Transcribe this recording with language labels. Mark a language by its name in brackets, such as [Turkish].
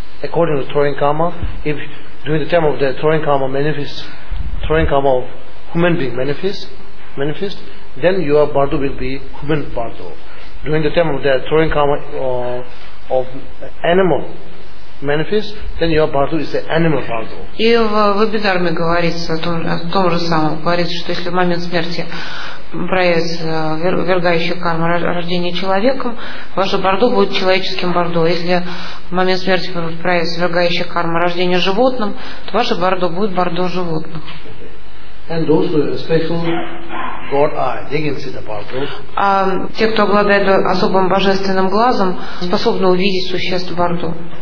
[English] According to throwing karma, if during the time of the throwing karma manifests, throwing karma of human being manifest, then your Bardo will be human Bardo. During the time of the throwing karma of animal manifest, then your Bardo is the animal Bardo. [Russian] И в Абхидхарме говорится о том же самом, говорится, что если в момент смерти проявится ввергающая карма рождения человеком, ваше Бардо будет человеческим Бардо. Если в момент смерти проявится ввергающая карма рождения животным, то ваше Бардо будет Бардо животных. [English] And those with a special God eye, they can see the Bardo. [Russian] А те, кто обладает особым божественным глазом, способны увидеть существ Бардо.